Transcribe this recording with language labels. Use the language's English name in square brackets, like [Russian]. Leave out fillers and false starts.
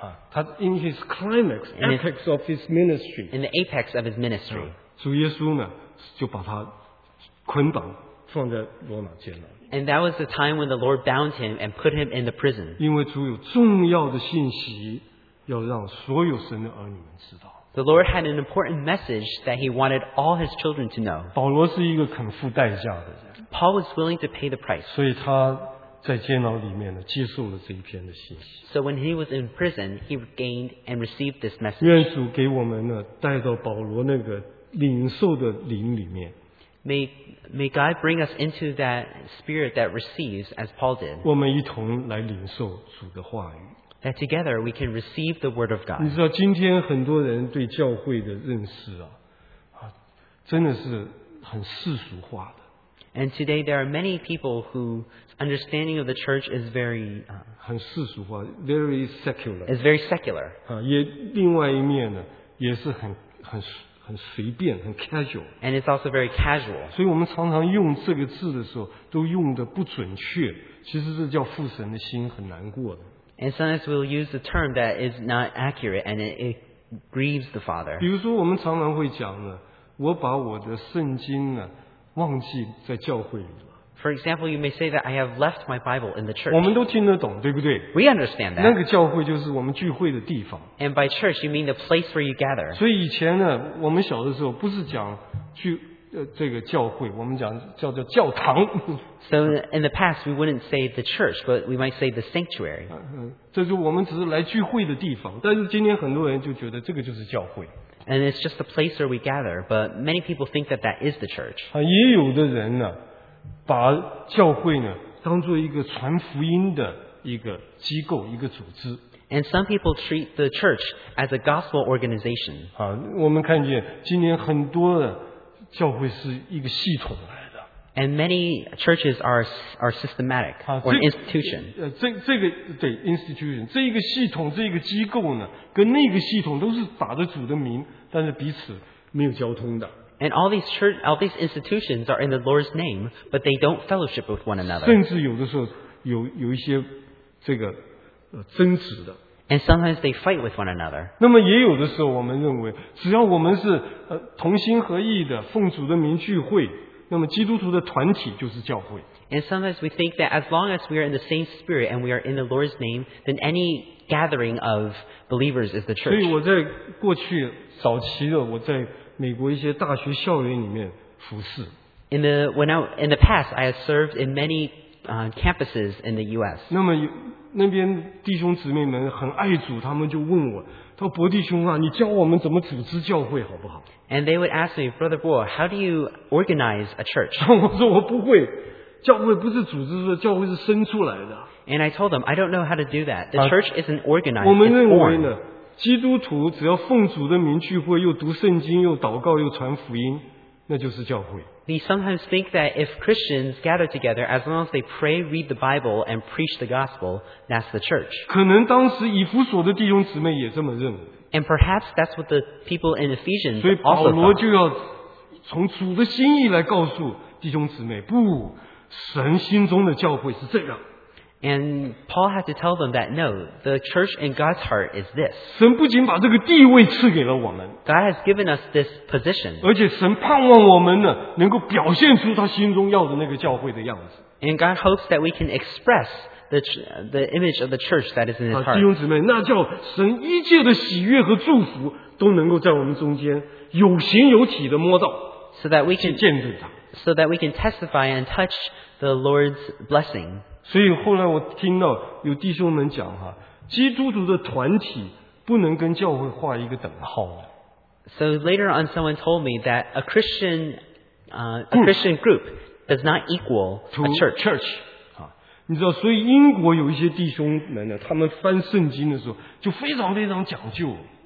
[English] 他 in his climax, apex of his ministry. In the apex of his ministry. [Chinese] 主耶稣呢，就把他捆绑放在罗马监牢。 [English] And that was the time when the Lord bound him and put him in the prison. [Chinese] 因为主有重要的信息要让所有神的儿女们知道。 [English] The Lord had an important message that he wanted all his children to know. [Chinese] 保罗是一个肯付代价的人。 [English] Paul was willing to pay the price. [Chinese] 所以他在监牢里面呢，接受了这一篇的信息。 [English] So when he was in prison, he gained and received this message. [Chinese] 愿主给我们呢，带到保罗那个领受的灵里面。 [English] May God bring us into that spirit that receives as Paul did. [Chinese] 我们一同来领受主的话语。 [English] That together we can receive the word of God. [Chinese] 你知道今天很多人对教会的认识啊，真的是很世俗化的。 [English] And today there are many people whose understanding of the church is very [Chinese] 很世俗化 ， [English] very secular. Is very secular. [Chinese] 也另外一面呢，也是很随便，很 casual. [English] And it's also very casual. [Chinese] 所以我们常常用这个字的时候，都用的不准确。其实这叫父神的心很难过的。 [English] And sometimes we'll use the term that is not accurate and it grieves the Father. [Chinese] 比如说我们常常会讲呢，我把我的圣经呢忘记在教会里了。 [English] For example, you may say that I have left my Bible in the church. [Chinese] 我们都听得懂，对不对？ [English] We understand that. [Chinese] 那个教会就是我们聚会的地方。 [English] And by church, you mean the place where you gather. [Chinese] 所以以前呢，我们小的时候不是讲聚这个教会，我们讲叫教堂。 [English] So in the past, we wouldn't say the church, but we might say the sanctuary. [Chinese] 这就我们只是来聚会的地方，但是今天很多人就觉得这个就是教会。 [English] And it's just the place where we gather, but many people think that that is the church. [Chinese] 也有的人呢，把教会呢当做一个传福音的一个机构、一个组织。 [English] And some people treat the church as a gospel organization. [Chinese] 我们看见今天很多的教会是一个系统来的。 [English] And many churches are systematic or institution. [Chinese] 这个对 institution 这一个系统这一个机构呢，跟那个系统都是打着主的名，但是彼此没有交通的。 [English] And all these institutions are in the Lord's name, but they don't fellowship with one another. [Chinese] 甚至有的时候有一些这个争执的。 [English] And sometimes they fight with one another. [Chinese] 那么也有的时候我们认为只要我们是同心合意的奉主的名聚会，那么基督徒的团体就是教会。 [English] And sometimes we think that as long as we are in the same spirit and we are in the Lord's name, then any gathering of believers is the church. [Chinese] 所以我在过去早期的我在美国一些大学校园里面服侍。 [English] In the past, I have served in many campuses in the U.S. [Chinese] 那么有那边弟兄姊妹们很爱主，他们就问我，他说：“伯弟兄啊，你教我们怎么组织教会好不好？” [English] And they would ask me, Brother Bo, how do you organize a church? [Chinese] 我说我不会，教会不是组织的，教会是生出来的。 [English] And I told them, I don't know how to do that. The church isn't organized. [Chinese] 我们认为呢，基督徒只要奉主的名聚会，又读圣经，又祷告，又传福音，那就是教会。 [English] We sometimes think that if Christians gather together, as long as they pray, read the Bible, and preach the gospel, that's the church. [Chinese] 可能当时以弗所的弟兄姊妹也这么认为。 [English] And perhaps that's what the people in Ephesians also thought. [Chinese] 所以保罗就要从主的心意来告诉弟兄姊妹，不，神心中的教会是这样。 [English] And Paul had to tell them that no, the church in God's heart is this. [Chinese] 神不仅把这个地位赐给了我们。 [English] God has given us this position. [Chinese] 而且神盼望我们呢，能够表现出他心中要的那个教会的样子。 [English] And God hopes that we can express the image of the church that is in his heart. [Chinese] 弟兄姊妹，那叫神一切的喜悦和祝福都能够在我们中间有形有体的摸到。 [English] So that we can [Chinese] 去见证他。 [English] So that we can testify and touch the Lord's blessing. [Chinese] 所以后来我听到有弟兄们讲哈，基督徒的团体不能跟教会画一个等号。 [English] So later on, someone told me that a Christian group does not equal a church. Church. [Chinese] 你知道，所以英国有一些弟兄们呢，他们翻圣经的时候就非常非常讲究。